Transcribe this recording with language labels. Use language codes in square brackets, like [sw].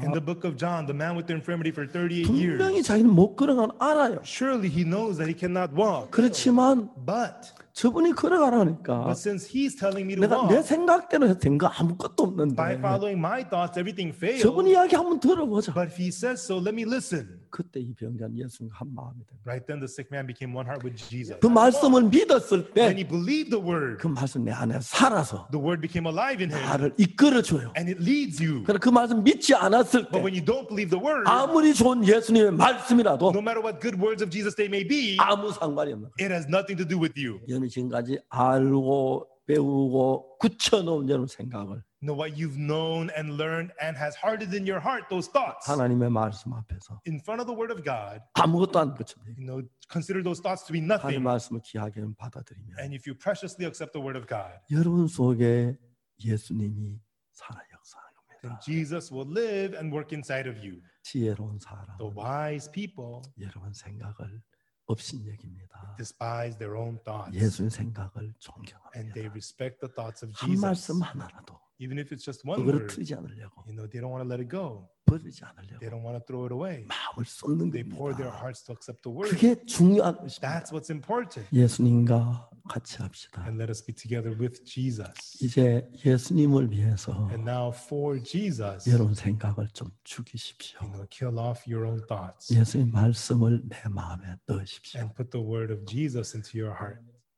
[en] In the book of John, the man with the infirmity for 38 years. [ko] 분명히 자기는 못 걸어간 알아요. [en] Surely he knows that he cannot walk. [ko] 그렇지만, [en] but [ko] 저분이 걸어가라니까. [en] But since he's telling me to [ko] 내가 [en] walk, [ko] 내가 내 생각대로 된 거 아무것도 없는데. [en] By following my thoughts, everything fails. [ko] 저분 이야기 한번 들어보자. [en] But if he says so, let me listen. [ko] 그때 이 병자는 예수님과 한 마음이 됩니다. [en] Right then, the sick man became one heart with Jesus. [ko] 그 말씀을 믿었을 때, [en] when he believed the word, [ko] 그 말씀 내 안에 살아서, [en] the word became alive in him. [ko] 나를 이끌어줘요. [en] And it leads you. [ko] 그 말씀 믿지 않았을 때, [en] but when you don't believe the word, [ko] 아무리 좋은 예수님의 말씀이라도, [en] no matter what good words of Jesus they may be, [ko] 아무 상관이 없는. [en] It has nothing to do with you. [ko] 여러분 지금까지 알고 배우고 굳혀놓은 여러분 생각을. [en] Know what you've known and learned and has hardened in your heart those thoughts. [ko] 하나님의 말씀 앞에서. [en] In front of the word of God. [ko] 아무것도 안 붙잡니. [en] You know, consider those thoughts to be nothing. [ko] 하나님 말씀을 귀하게 받아들이면. [en] And if you preciously accept the word of God. [ko] 여러분 속에 예수님이 살아 역사하는 겁니다. [en] Then Jesus will live and work inside of you. [ko] 지혜로운 사람. [en] The wise people. [ko] 여러분 생각을 없인 얘기입니다. [en] Despise their own thoughts. [ko] 예수님 생각을 존경합니다. [en] And they respect the thoughts of Jesus. [ko] 한 말씀 하나라도. [en] Even if it's just one word, [ko] 틀리지 않으려고. [en] You know, they don't want to let it go. [ko] 버리지 않으려고. [en] They don't want to throw it away. [ko] 마음을 쏟는 겁니다. [en] They pour their hearts to accept the word. [ko] 그게 중요한 것입니다. [en] That's what's important. [ko] 예수님과 같이 합시다. [en] And let us be together with Jesus. [ko] 이제 예수님을 위해서 [en] And now for Jesus. [ko] 여러분 생각을 좀 죽이십시오. [en] Kill off your own thoughts. [ko] 예수님 말씀을 내 마음에 넣으십시오. [en] And put the word of Jesus into your heart.